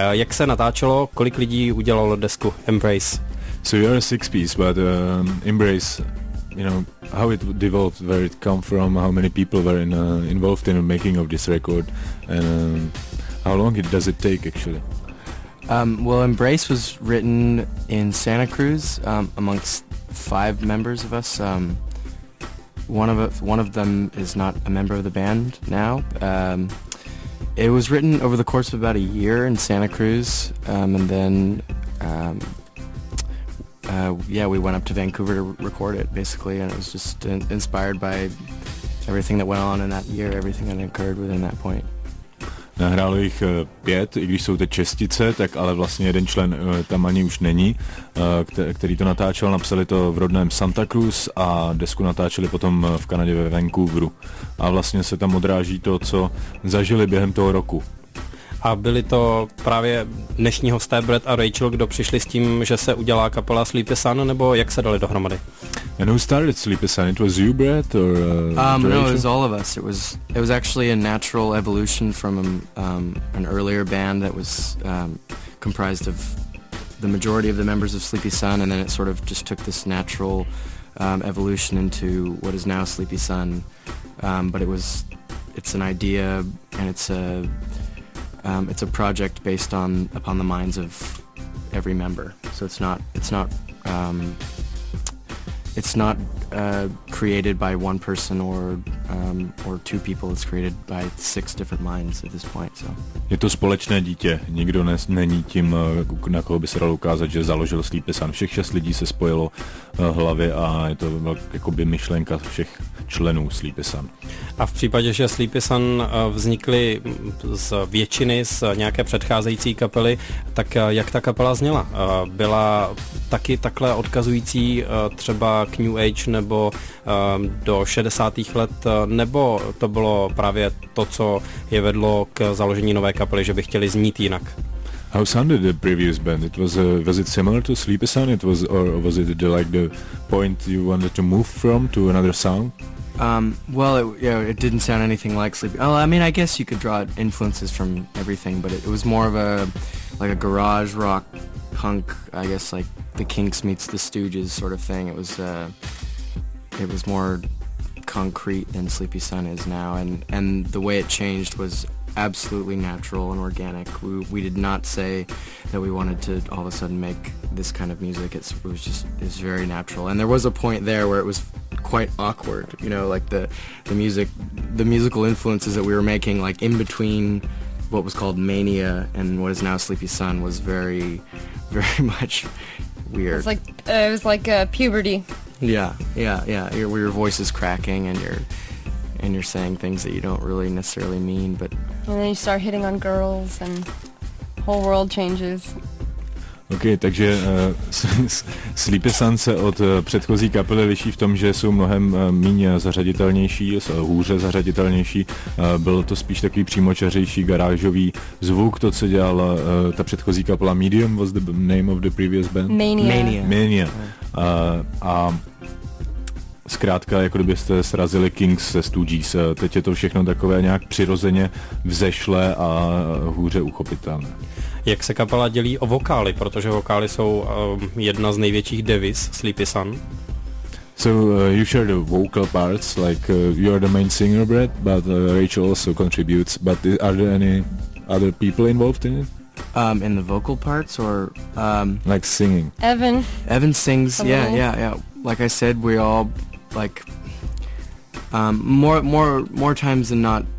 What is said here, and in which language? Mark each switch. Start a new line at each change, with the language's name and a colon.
Czech: Jak se natáčelo, kolik lidí udělalo desku Embrace?
English: So we are six piece, but Embrace, you know, how it developed, where it come from, how many people were in, involved in the making of this record, and how long it does it take actually? Well, Embrace was written in Santa Cruz amongst five members of us. One of them is not a member of the band now. It was written over the course of about a year in Santa Cruz, and then we went up to Vancouver to record it, basically, and it was just inspired by everything that went on in that year, everything that occurred within that point.
Czech: Nahrálo jich pět, i když jsou to čestice, tak ale vlastně jeden člen tam ani už není, který to natáčel, napsali to v rodném Santa Cruz a desku natáčeli potom v Kanadě ve Vancouveru. A vlastně se tam odráží to, co zažili během toho roku. A byli to právě dnešní hosté Brett a Rachel, kdo přišli s tím, že se udělá kapela Sleepy Sun, nebo jak se dali dohromady?
English: And who started Sleepy Sun? It was you, Brett, or No, it was all of us. It was actually a natural evolution from an earlier band that was comprised of the majority of the members of Sleepy Sun, and then it sort of just took this natural evolution into what is now Sleepy Sun. But it's an idea, and it's a project based upon the minds of every member. So it's not. It's not created by one person or two people, it's created by six different minds at this point, so.
Czech: Je to společné dítě, nikdo není tím, na koho by se dalo ukázat, že založil Sleepy Sun. Všech šest lidí se spojilo hlavy a je to jakoby myšlenka všech členů Sleepy Sun. A v případě, že Sleepy Sun vznikly z většiny z nějaké předcházející kapely, tak jak ta kapela zněla? Byla taky takhle odkazující třeba k New Age nebo do 60. let, nebo to bylo právě to, co je vedlo k založení nové kapely, že by chtěli znít jinak?
English: How sounded the previous band? It was it similar to Sleepy Sun? It was, or was it the, like the point you wanted to move from to another sound? Well, it didn't sound anything like Sleepy. Oh, I mean, I guess you could draw influences from everything, but it was more of a like a garage rock punk, I guess, like the Kinks meets the Stooges sort of thing. It was more concrete than Sleepy Sun is now, and the way it changed was absolutely natural and organic. We did not say that we wanted to all of a sudden make this kind of music. It was very natural, and there was a point there where it was quite awkward, you know, like the musical influences that we were making, like in between what was called Mania and what is now Sleepy Sun, was very, very much weird. It was like puberty. Yeah. Your voice is cracking and you're saying things that you don't really necessarily mean, but. And then you start hitting on girls and whole world changes.
Czech: OK, takže Sleepy Sun se od předchozí kapely liší v tom, že jsou mnohem méně zařaditelnější, hůře zařaditelnější. Byl to spíš takový přímočařejší garážový zvuk, to, co dělala ta předchozí kapela Medium,
English: was the name of the previous band? Mania.
Czech: A zkrátka, jako kdybyste srazili Kings se Stooges, teď je to všechno takové nějak přirozeně vzešlé a hůře uchopitelné. Jak se kapela dělí o vokály, protože vokály jsou jedna z největších deviz Sleepy Sun.
English: So you share the vocal parts, like you are the main singer, Brett, but Rachel also contributes. But are there any other people involved in it? In the vocal parts or like singing? Evan sings. Hello. Yeah. Like I said, we all like more times than not.